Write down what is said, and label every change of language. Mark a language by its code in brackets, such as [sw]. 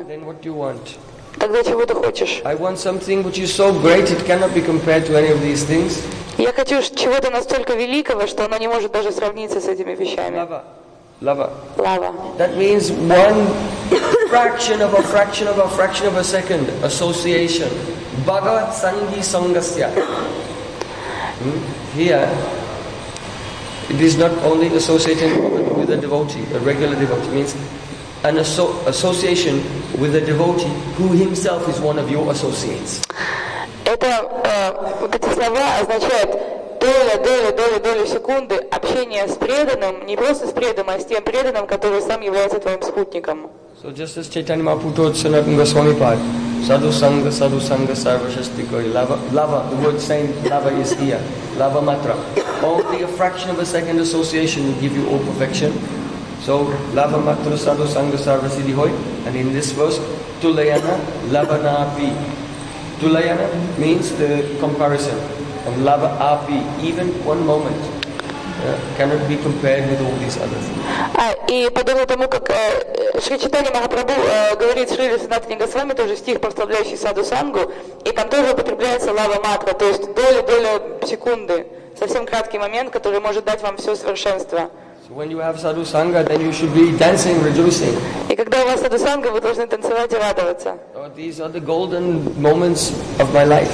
[en] Then what do you want? [ru] Тогда чего ты хочешь? [en] I want something which is so great it cannot be compared to any of these things. [ru] Я хочу чего-то настолько великого, что оно не может даже сравниться с этими вещами. [en] Lava. That means one fraction of a fraction of a fraction of a second association. [sa] Bhagavat Sanghi Sangasya. [en] Here, it is not only associating with a devotee, a regular devotee. It means an association with a devotee who himself is one of your associates. [ru] это Бхатислава означает доля секунды общения с преданным, не просто с преданным, а с тем преданным, который сам является твоим спутником. [en] So just as Chaitanya Mahaputra said in Goswamipad, [sa] sadhu sangha sarvashastikoi, [en] lava, the word saying lava is here, lava matra. Only a fraction of a second association will give you all perfection. So [sa] lava matra sadhu sangha sarvashidihoi, [en] and in this verse, [sa] tulayana lavana api. [en] Tulayana means the comparison, and lava api, even one moment. Cannot be compared with all these others. [ru] И подобно тому, как Шри Чайтанья Махапрабху говорит Шри Сиддхартхе Госвами, тоже стих, прославляющий саду сангу, и там тоже употребляется лава матра, то есть доля секунды, совсем краткий момент, который может дать вам все совершенство. И когда у вас саду санга, вы должны танцевать и радоваться. [en] These are the golden moments of my life.